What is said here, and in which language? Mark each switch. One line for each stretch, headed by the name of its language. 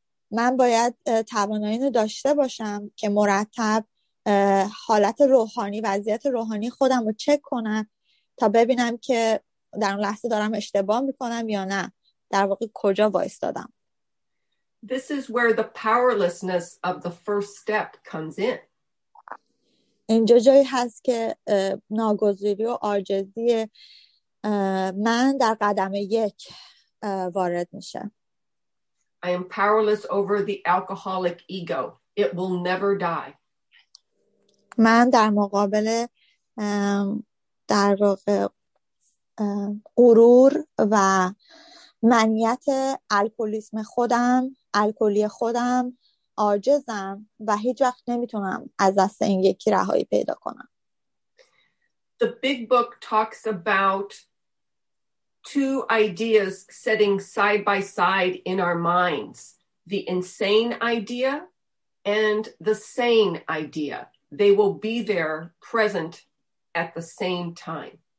Persian: من باید توانایی رو داشته باشم که مرتب حالت روحانی وضعیت روحانی خودم رو چک کنم تا ببینم که در اون لحظه دارم اشتباه میکنم یا نه، در واقع کجا وایستادم.
English: This is where the powerlessness of the first step comes in.
Persian: اینجا جایی هست که ناگزیری و عاجزی من در قدم یک وارد میشه.
English: I am powerless over the alcoholic ego. It will never die.
Persian: من در مقابل در واقع غرور و منیت الکلیسم خودم، الکلی خودم عاجزم و هیچ وقت نمیتونم از دست این یکی رهایی پیدا کنم.
English: The big book talks about two ideas sitting side by side in our minds. The insane idea and the sane idea. They will be there present at the same time.